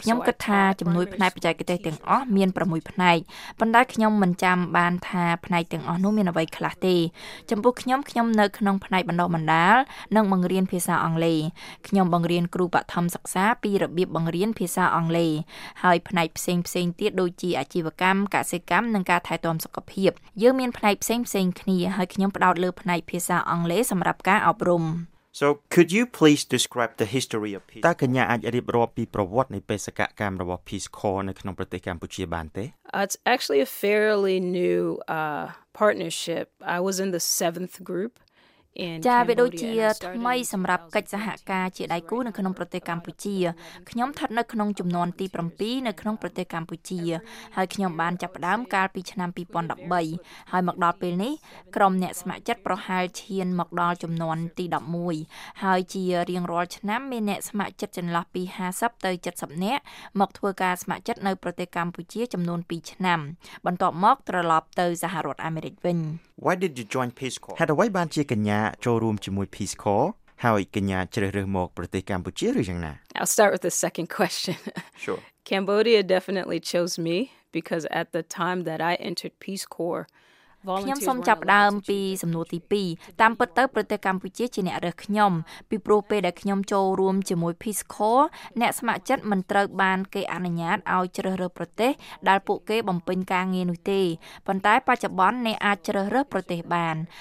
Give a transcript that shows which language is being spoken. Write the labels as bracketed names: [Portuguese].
[Khmer] ខ្ញុំគិតថាជំនួយផ្នែកបច្ចេកទេសទាំងអស់មាន6ផ្នែកប៉ុន្តែខ្ញុំមិនចាំបានថាផ្នែកទាំងអស់នោះមានអ្វីខ្លះទេចំពោះខ្ញុំនៅក្នុងផ្នែកបណ្ដុះបណ្ដាលនិងបង្រៀនភាសាអង់គ្លេសខ្ញុំបង្រៀនគ្រូបឋមសិក្សាពីរបៀបបង្រៀនភាសាអង់គ្លេសហើយផ្នែកផ្សេងៗទៀតដូចជាអាជីវកម្មកសិកម្មនិងការថែទាំសុខភាពយើងមានផ្នែកផ្សេងគ្នាហើយខ្ញុំផ្ដោតលើផ្នែកភាសាអង់គ្លេសសម្រាប់ការអប់រំ [English] So could you please describe the history of Peace Corps? [Khmer] តើកញ្ញាអាចរៀបរាប់ពីប្រវត្តិនៃបេសកកម្មរបស់ Peace Corps នៅក្នុងប្រទេសកម្ពុជាបានទេ? [English] It's actually a fairly new partnership. I was in the 7th group [Khmer] ចាវាដូចជាថ្មីសម្រាប់កិច្ចសហការជាដៃគូនៅក្នុងប្រទេសកម្ពុជាខ្ញុំស្ថិតនៅក្នុងជំនាន់ទី7នៅក្នុងប្រទេសកម្ពុជាហើយខ្ញុំបានចាប់ផ្ដើមកាលពីឆ្នាំ2013ហើយមកដល់ពេលនេះក្រុមអ្នកស្ម័គ្រចិត្តប្រហែលឈានមកដល់ជំនាន់ទី11ហើយជារៀងរាល់ឆ្នាំមានអ្នកស្ម័គ្រចិត្តចន្លោះពី50ទៅ70នាក់មកធ្វើការស្ម័គ្រចិត្តនៅប្រទេសកម្ពុជាចំនួន2ឆ្នាំបន្ទាប់មកត្រឡប់ទៅសហរដ្ឋអាមេរិកវិញ [English] Why did you join Peace Corps? [Khmer] ហេតុអ្វីបានជាកញ្ញាចូលរួមជាមួយ Peace Corps ហើយកញ្ញាជ្រើសរើសមកប្រទេសកម្ពុជាឬយ៉ាងណា? [English] I'll start with the second question. Sure. Cambodia definitely chose me because at the time that I entered Peace Corps [Khmer] ខ្ញុំសូមចាប់ផ្ដើមពីសំណួរទី2តាមពិតទៅប្រទេសកម្ពុជាជាអ្នករើសខ្ញុំពីព្រោះពេលដែលខ្ញុំចូលរួមជាមួយ Peace Corps អ្នកស្ម័គ្រចិត្តមិនត្រូវបានគេអនុញ្ញាតឲ្យជ្រើសរើសប្រទេសដែលពួកគេបំពេញការងារនោះទេប៉ុន្តែបច្ចុប្បន្នអ្នកអាចជ្រើសរើសប្រទេសបាន